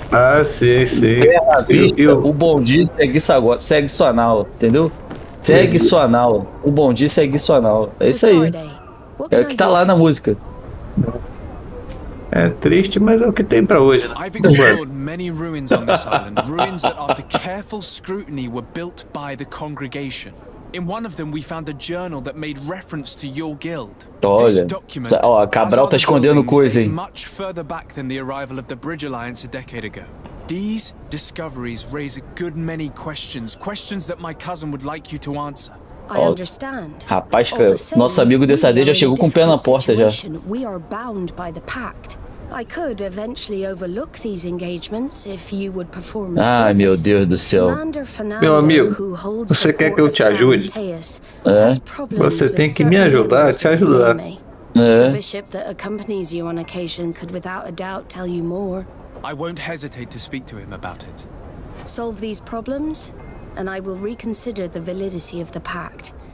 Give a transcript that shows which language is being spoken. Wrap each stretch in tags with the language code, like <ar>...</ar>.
<pt>Ah, sim, sim. Terra vista, o bondi segue sua nau, entendeu? Segue sua nau, o bondi segue sua nau. É isso aí. É o que tá lá na música. É triste, mas é o que tem pra hoje.</pt> <en>I've explored many ruins on this island. Ruins that after careful scrutiny were built by the congregation. In one of them we found a journal that made reference to your guild.</en> <pt>Olha, document, ó, a Cabral tá escondendo coisa, hein?</pt> <en>Much further back than the arrival of the Bridge Alliance a decade ago. These discoveries raise a good many questions. Questions that my cousin would like you to answer. I understand.</en> <pt>Rapaz, que nosso amigo dessa vez já chegou com o pé na porta já.</pt> <en>We are bound by the pact. I could eventually overlook these engagements if you would perform a service.</en> <pt>Ai, meu Deus do céu. Meu amigo, você quer que eu te ajude? É? Você tem que me ajudar, te ajudar. É.</pt> <en>The bishop that accompanies you on occasion could without a doubt tell you more. I won't hesitate to speak to him about it. Solve these problems? And I will reconsider the validity of the pact.</en>